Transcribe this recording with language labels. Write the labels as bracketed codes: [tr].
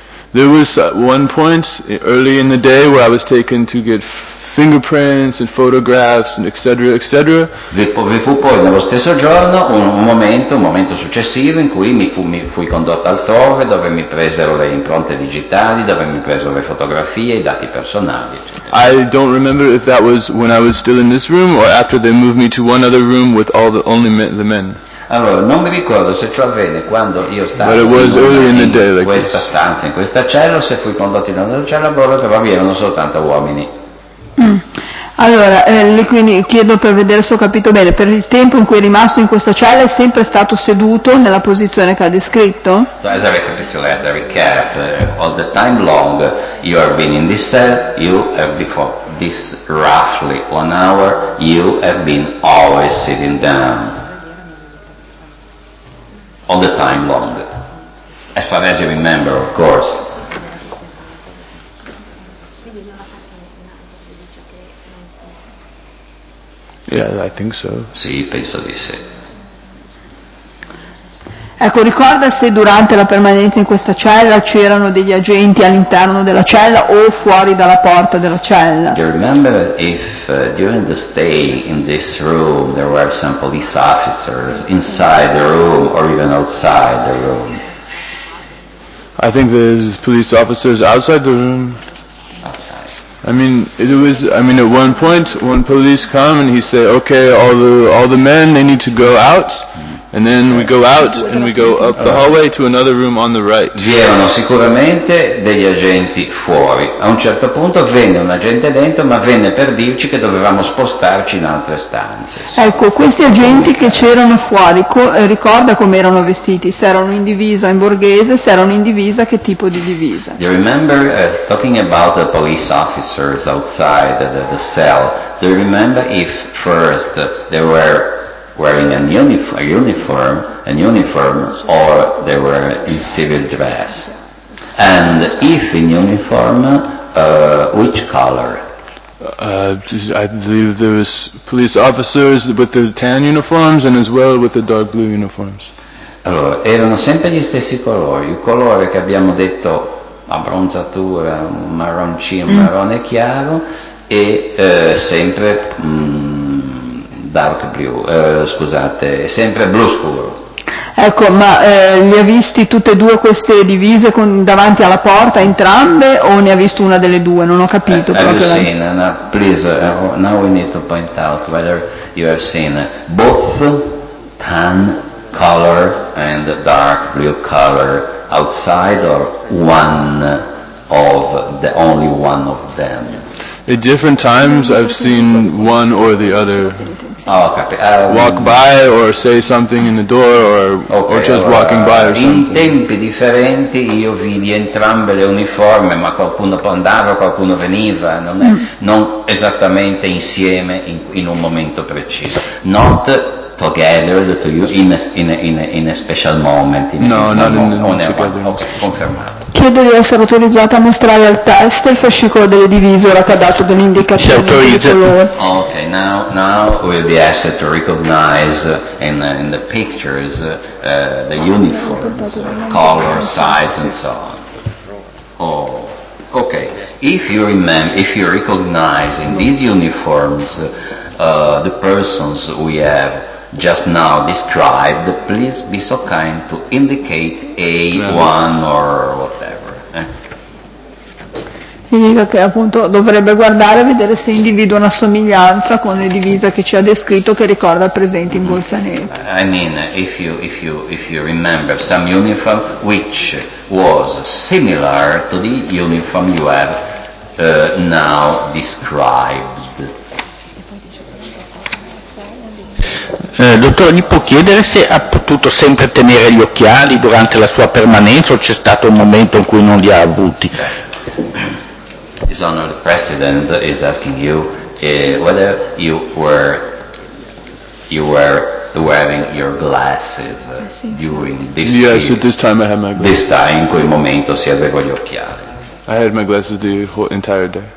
[en] There was one point early in the day where I was taken to get fingerprints and photographs and etc. [it] Vi fu poi nello stesso giorno un momento successivo in cui mi fui condotto altrove, dove mi presero le impronte digitali, dove mi presero le fotografie, i dati personali, eccetera. [en] I don't remember if that was when I was still in this room or after they moved me to one other room with all the only men, the men. [it] Allora, non mi ricordo se ciò avvenne quando io stavo in questa stanza, in questa cella, se fui condotto in una cella, però vi erano soltanto uomini. Allora, quindi chiedo per vedere se ho capito bene, per il tempo in cui è rimasto in questa cella è sempre stato seduto nella posizione che ha descritto? [en] So, as I recapitulate, I recap, all the time long you have been in this cell, you have been for this roughly one hour, you have been always sitting down. All the time long. As far as you remember, of course. Yeah, I think so. [it] Sì, penso di sì. Ecco, ricorda se durante la permanenza in questa cella c'erano degli agenti all'interno della cella o fuori dalla porta della cella? [en] Do you remember if during the stay in this room there were some police officers inside the room or even outside the room? I think there's police officers outside the room. I mean, it was. I mean, at one point, when police come and he say, "Okay, all the men, they need to go out," and then we go out and we go up the hallway to another room on the right. [it] Vi erano sicuramente degli agenti fuori. A un certo punto venne un agente dentro, ma venne per dirci che dovevamo spostarci in altre stanze. Ecco, questi agenti che c'erano fuori, ricorda come erano vestiti? Se erano in divisa in borghese, se erano in divisa, che tipo di divisa? [en] Do you remember talking about the police officers outside the cell? Do you remember if first they were wearing a uniform, or they were in civil dress? And if in uniform, which color? I believe there was police officers with the tan uniforms and as well with the dark blue uniforms. [it] Allora, erano sempre gli stessi colori, il colore che abbiamo detto abbronzatura, marroncino, marrone chiaro, e sempre [en] dark blue, [it] scusate, sempre blu scuro. Ecco, ma li ha visti tutte e due queste divise davanti alla porta, entrambe, o ne ha visto una delle due? Non ho capito. [en] Now we need to point out whether you have seen both tan color and dark blue color outside, or one of the only one of them. At different times I've seen one or the other walk by or say something in the door or just walking by or something. [it] In tempi differenti io vidi entrambe le uniformi, ma qualcuno andava, qualcuno veniva, non esattamente insieme in un momento preciso. [en] Not together, in a special moment. [it] Confermato. Chiedo di essere autorizzata a mostrare al test il fascicolo delle divise, ora che ha dato dell'indicazione di colore. [en] Ok, now we'll be asked to recognize in the pictures the uniforms, color, size, and so on. Oh, ok. If you recognize in these uniforms the persons we have just now described, please be so kind to indicate A1 or whatever. [it] Significa che appunto dovrebbe guardare e vedere se individua una somiglianza con le divise che ci ha descritto, che ricorda presente in Bolzaneto. [en] I mean, if you remember some uniform which was similar to the uniform you have now described. [it] Dottore, gli può chiedere se ha potuto sempre tenere gli occhiali durante la sua permanenza o c'è stato un momento in cui non li ha avuti? [en] His Honor the President is asking you whether you were wearing your glasses during this time. Yes, at this time I had my glasses. This time, [it] in quel momento, si aveva gli occhiali. [en] I had my glasses the whole entire day.